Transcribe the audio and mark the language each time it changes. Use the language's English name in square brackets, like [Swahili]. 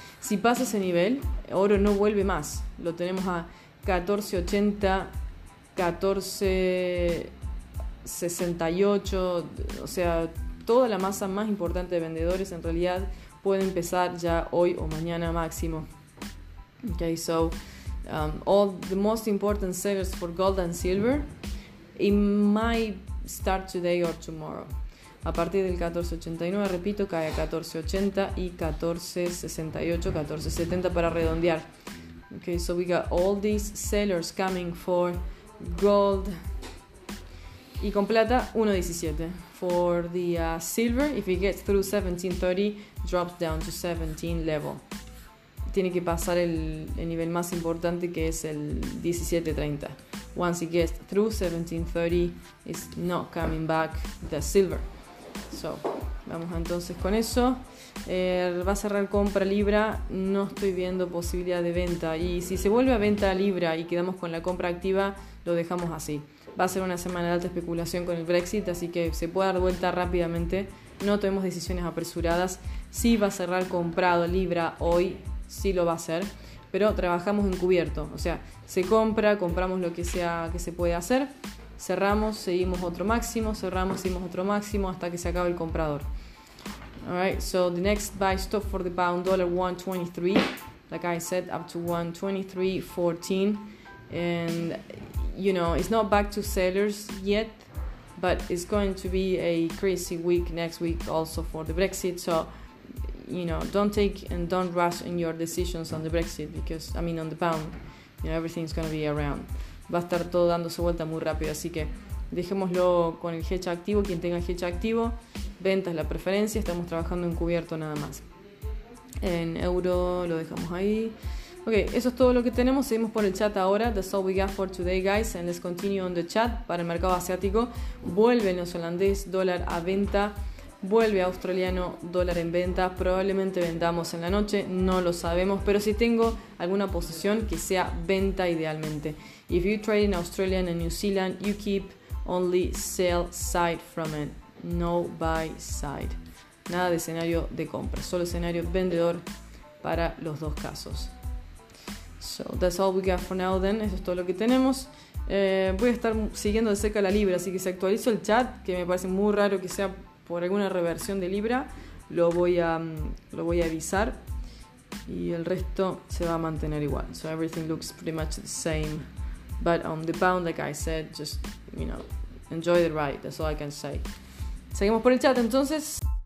[Spanish] Si pasa ese nivel, oro no vuelve más. Lo tenemos a 14.80, 14.68, o sea, toda la masa más importante de vendedores en realidad puede empezar ya hoy o mañana máximo. [English] Okay, so all the most important savers for gold and silver, it might start today or tomorrow. [Spanish] A partir del 1489, repito, cae a 1480 y 1468, 1470 para redondear. [English] Okay, so we got all these sellers coming for gold. [Spanish] Y con plata, [English] 1.17. For the silver, if it gets through 1730, drops down to 17 level. [Spanish] Tiene que pasar el nivel más importante, que es el 1730. [English] Once it gets through 1730, it's not coming back the silver. [Spanish] So, vamos entonces con eso. Va a cerrar compra libra. No estoy viendo posibilidad de venta. Y si se vuelve a venta libra y quedamos con la compra activa, lo dejamos así. Va a ser una semana de alta especulación con el Brexit, así que se puede dar vuelta rápidamente. No tomemos decisiones apresuradas. Sí va a cerrar comprado libra hoy, sí lo va a hacer. Pero trabajamos encubierto. O sea, se compra, compramos lo que sea que se puede hacer. Cerramos, seguimos otro máximo, cerramos, seguimos otro máximo hasta que se acabe el comprador. [English] Alright, so the next buy stop for the pound dollar, 123. Like I said, up to 123.14. And, you know, it's not back to sellers yet, but it's going to be a crazy week next week also for the Brexit. So, you know, don't take and don't rush in your decisions on the Brexit, because, I mean, on the pound, you know, everything's going to be around. [Spanish] Va a estar todo dándose vuelta muy rápido, así que dejémoslo con el hedge activo, quien tenga el hedge activo. Ventas la preferencia, estamos trabajando en cubierto nada más. En euro lo dejamos ahí. Ok, eso es todo lo que tenemos, seguimos por el chat ahora. [English] That's all we got for today, guys, and let's continue on the chat. [Spanish] Para el mercado asiático, vuelve neozelandés dólar a venta, vuelve australiano dólar en venta. Probablemente vendamos en la noche, no lo sabemos, pero si tengo alguna posición, que sea venta idealmente. [English] If you trade in Australian and New Zealand, you keep only sell side from it. No buy side. [Spanish] Nada de escenario de compra, solo escenario vendedor para los dos casos. [English] So that's all we got for now then. [Spanish] Eso es todo lo que tenemos. Voy a estar siguiendo de cerca la libra, así que si actualizo el chat, que me parece muy raro que sea por alguna reversión de libra, lo voy a avisar. Y el resto se va a mantener igual. [English] So everything looks pretty much the same. But on the pound, like I said, just, you know, enjoy the ride. That's all I can say. [Spanish] Seguimos por el chat, entonces.